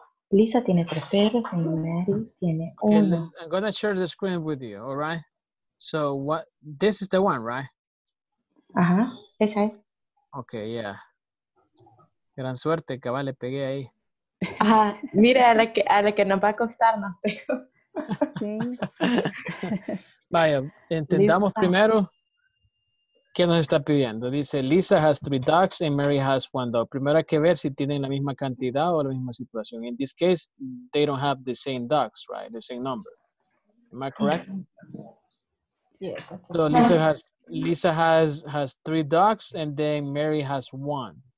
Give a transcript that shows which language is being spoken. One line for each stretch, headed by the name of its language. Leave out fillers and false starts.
Spanish: Lisa tiene tres perros y Mary tiene uno.
English: I'm gonna share the screen with you, all right? So what? This is the one, right?
Spanish: Uh-huh. Esa es.
English: Okay, yeah.
Spanish: Gran suerte, cabal, le pegué ahí. Ah, mira a la que nos va a costar más. Sí. Vaya, entendamos Lisa. Primero. ¿Qué nos está pidiendo? Dice,
English: Lisa has three dogs and Mary has one dog.
Spanish: Primero hay que ver si tienen la misma cantidad o la misma situación.
English: In this case, they don't have the same dogs, right? The same number. Am I correct? Yes. So Lisa has Lisa has three dogs and then Mary has one.